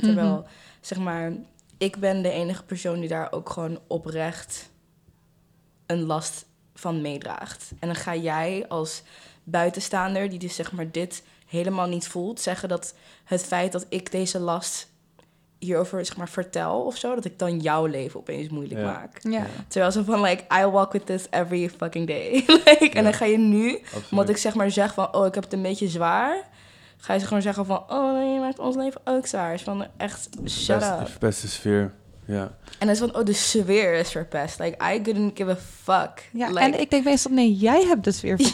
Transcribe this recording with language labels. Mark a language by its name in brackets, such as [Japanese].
[Dutch] Terwijl, zeg maar, ik ben de enige persoon die daar ook gewoon oprecht een last van meedraagt. En dan ga jij als buitenstaander, die dus zeg maar dit helemaal niet voelt, zeggen dat het feit dat ik deze last hierover zeg maar vertel of zo, dat ik dan jouw leven opeens moeilijk maak. Ja. Terwijl ze van, [English] like, I walk with this every fucking day. [Dutch] Like, ja. En dan ga je nu, omdat ik zeg maar zeg van, oh, ik heb het een beetje zwaar, ga je ze gewoon zeggen van, oh, nee, je maakt ons leven ook zwaar. Is van, echt, [English] shut up. [Dutch] Beste sfeer. Ja. En dan is van, oh, de sfeer is verpest. Like, [English] I couldn't give a fuck. [Dutch] Ja, [English] like, [Dutch] en ik denk meestal, nee, jij hebt de sfeer verpest,